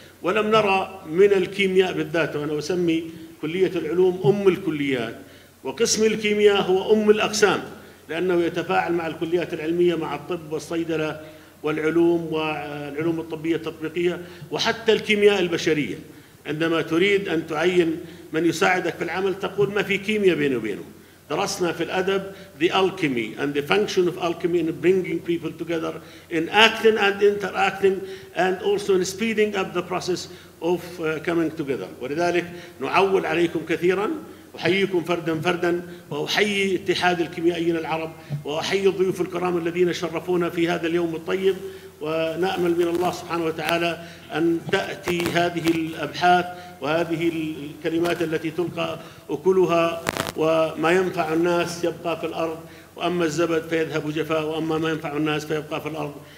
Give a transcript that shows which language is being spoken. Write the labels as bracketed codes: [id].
[ar] ولم نرى من الكيمياء بالذات، وأنا أسمي كلية العلوم أم الكليات، وقسم الكيمياء هو أم الأقسام، لأنه يتفاعل مع الكليات العلمية، مع الطب والصيدلة والعلوم والعلوم الطبية التطبيقية، وحتى الكيمياء البشرية. عندما تريد أن تعين من يساعدك في العمل تقول ما في كيمياء بينه وبينه. درسنا في الأدب [en] the alchemy and the function of alchemy in bringing people together in acting and interacting and also in speeding up the process of coming together. [ar] ولذلك نعول عليكم كثيرا، أحييكم فردا فردا، وأحيي اتحاد الكيميائيين العرب، وأحيي الضيوف الكرام الذين شرفونا في هذا اليوم الطيب، ونأمل من الله سبحانه وتعالى أن تأتي هذه الأبحاث وهذه الكلمات التي تلقى أكلها، وما ينفع الناس يبقى في الأرض، وأما الزبد فيذهب جفاء، وأما ما ينفع الناس فيبقى في الأرض.